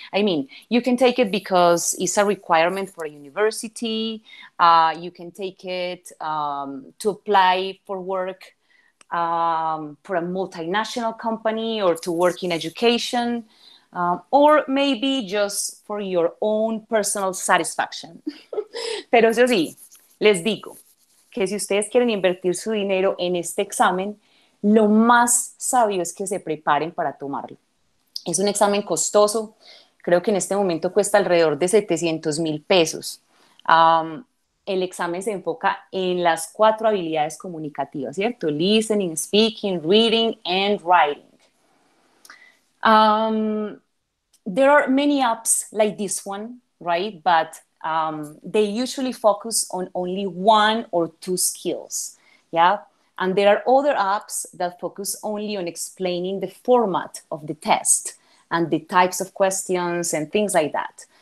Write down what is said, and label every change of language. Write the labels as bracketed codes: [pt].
[en] I mean, you can take it because it's a requirement for a university. You can take it to apply for work for a multinational company or to work in education. Or maybe just for your own personal satisfaction. [es] Pero eso sí, les digo que si ustedes quieren invertir su dinero en este examen, lo más sabio es que se preparen para tomarlo. Es un examen costoso. Creo que en este momento cuesta alrededor de 700 mil pesos. El examen se enfoca en las cuatro habilidades comunicativas, ¿cierto? [en] Listening, speaking, reading and writing. There are many apps like this one, right? But they usually focus on only one or two skills, yeah? And there are other apps that focus only on explaining the format of the test and the types of questions and things like that.